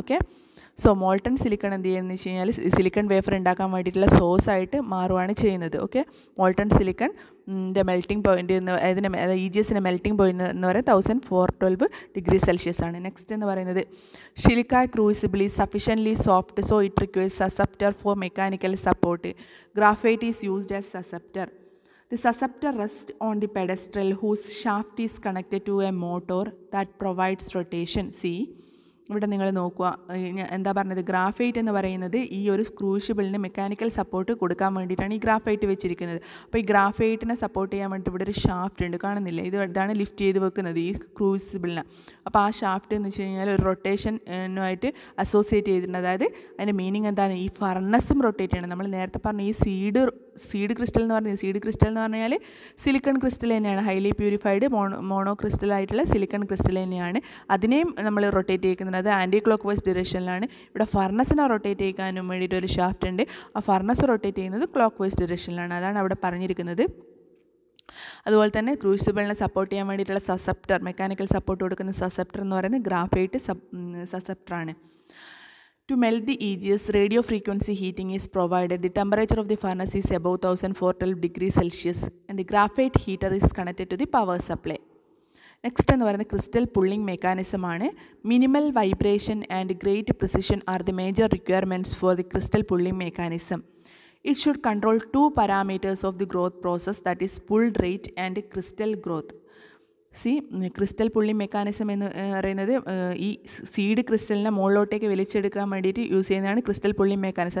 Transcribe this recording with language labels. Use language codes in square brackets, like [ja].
[ml] Okay, so molten silicon എന്ത് ചെയ്യുകയെന്ന് വെച്ച് കഴിഞ്ഞാൽ സിലിക്കൺ വേഫർ ഉണ്ടാക്കാൻ വേണ്ടിയിട്ടുള്ള സോഴ്സ് ആയിട്ട് മാറുകയാണ് ചെയ്യുന്നത്. ഓക്കെ, മോൾട്ടൺ സിലിക്കൺ ൻ്റെ മെൽറ്റിംഗ് പോയിൻ്റ് എന്ന് അതായത് ഈജിഎസിൻ്റെ മെൽറ്റിംഗ് പോയിൻ്റ് എന്ന് പറയുന്നത് 1412 ഡിഗ്രി സെൽഷ്യസ് ആണ്. [en] next [ml] എന്ന് പറയുന്നത് [en] Silica crucible sufficiently soft so it requires susceptor for mechanical support. Graphite is used as susceptor. The susceptor rests on the pedestal whose shaft is connected to a motor that provides rotation. [ml] See, ഇവിടെ നിങ്ങൾ നോക്കുക, എന്താ പറഞ്ഞത്, graphite എന്ന് പറയുന്നത് ഈ ഒരു ക്രൂഷിബിളിന് മെക്കാനിക്കൽ സപ്പോർട്ട് കൊടുക്കാൻ വേണ്ടിയിട്ടാണ് ഈ ഗ്രാഫൈറ്റ് വെച്ചിരിക്കുന്നത്. അപ്പോൾ ഈ ഗ്രാഫൈറ്റിനെ സപ്പോർട്ട് ചെയ്യാൻ വേണ്ടിയിട്ട് ഇവിടെ ഒരു ഷാഫ്റ്റ് ഉണ്ട്, കാണുന്നില്ലേ? ഇതാണ് ലിഫ്റ്റ് ചെയ്ത് വെക്കുന്നത് ഈ ക്രൂസിബിളിനെ. അപ്പോൾ ആ ഷാഫ്റ്റ് എന്ന് വെച്ച് കഴിഞ്ഞാൽ ഒരു റൊട്ടേഷനുമായിട്ട് അസോസിയേറ്റ് ചെയ്തിട്ടുണ്ട്. അതായത് അതിൻ്റെ മീനിങ് എന്താണ്, ഈ ഫർണസ്സും റൊട്ടേറ്റ് ചെയ്യണം. നമ്മൾ നേരത്തെ പറഞ്ഞു ഈ സീഡ് ക്രിസ്റ്റൽ എന്ന് പറഞ്ഞാൽ, സീഡ് ക്രിസ്റ്റൽ എന്ന് പറഞ്ഞാൽ സിലിക്കൺ ക്രിസ്റ്റൽ തന്നെയാണ്, ഹൈലി പ്യൂരിഫൈഡ് മോണോ ക്രിസ്റ്റൽ ആയിട്ടുള്ള സിലിക്കൺ ക്രിസ്റ്റൽ തന്നെയാണ്. അതിനെയും നമ്മൾ റൊട്ടേറ്റ് ചെയ്യുന്നത് ആൻറ്റി ക്ലോക്ക് വൈസ് ഡിറക്ഷനിലാണ്. ഇവിടെ ഫർണസ്സിനെ റൊട്ടേറ്റ് ചെയ്യാനും വേണ്ടിയിട്ട് ഒരു ഷാഫ്റ്റ് ഉണ്ട്. ആ ഫർണസ് റൊട്ടേറ്റ് ചെയ്യുന്നത് ക്ലോക്ക് വൈസ് ഡിറക്ഷനിലാണ്, അതാണ് അവിടെ പറഞ്ഞിരിക്കുന്നത്. അതുപോലെ തന്നെ ക്രൂസിബിളിനെ സപ്പോർട്ട് ചെയ്യാൻ വേണ്ടിയിട്ടുള്ള സസെപ്റ്റർ, മെക്കാനിക്കൽ സപ്പോർട്ട് കൊടുക്കുന്ന സസെപ്റ്റർ എന്ന് പറയുന്നത് ഗ്രാഫൈറ്റ് സസെപ്റ്റർ ആണ്. [en] To melt the EGS, radio frequency heating is provided. The temperature of the furnace is above 1412 degrees Celsius and the graphite heater is connected to the power supply. Next [ml] എന്ന് പറയുന്നത് [en] Crystal pulling mechanism ആണ്. Minimal vibration and great precision are the major requirements for the crystal pulling mechanism. It should control 2 parameters of the growth process, that is pull rate and crystal growth. [ml] C, crystal പുള്ളി mechanism എന്ന് പറയുന്നത് ഈ seed ക്രിസ്റ്റലിനെ മുകളിലോട്ടേക്ക് വലിച്ചെടുക്കാൻ വേണ്ടിയിട്ട് use ചെയ്യുന്നതാണ് crystal പുള്ളി mechanism.